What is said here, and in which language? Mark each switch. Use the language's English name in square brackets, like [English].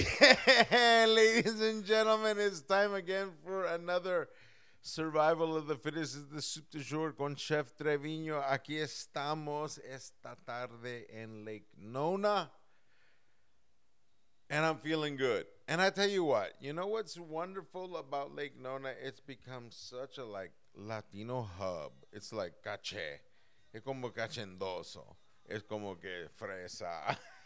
[English] Ladies and gentlemen, it's time again for another Survival of the Fittest. This is the Soup du Jour [Spanish] con [English] Chef Treviño. [Spanish] Aquí estamos esta tarde en Lake Nona. [English] And I'm feeling good. And I tell you what, you know what's wonderful about Lake Nona? It's become such a, like, Latino hub. It's like caché. [Spanish] Es como cachendoso. Es como que fresa.